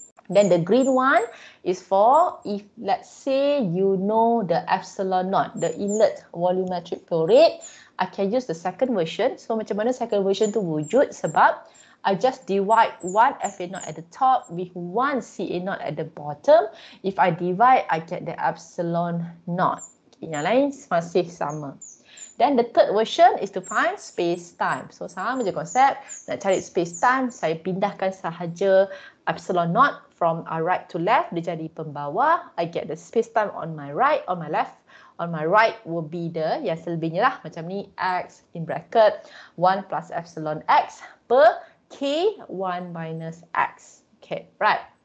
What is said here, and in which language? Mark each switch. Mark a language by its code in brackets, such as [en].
[en] Then the green one is for if let's say you know the epsilon naught, the inlet volumetric flow rate, I can use the second version. So [ms] macam mana [en] second version [ms] tu wujud? Sebab [en] I just divide one FA naught at the top with one CA naught at the bottom. If I divide, I get the epsilon naught. [ms] Okay, yang lain masih sama. [en] Then the third version is to find space-time. [ms] So sama je konsep, nak cari space-time, saya pindahkan sahaja epsilon naught [en] from right to left, [ms] dia jadi pembawa. [en] I get the space time on my right, on my left. On my right will be the, [ms] yang selebihnya lah, macam ni, [en] X in bracket 1 plus epsilon X per K 1 minus X. Okay, right.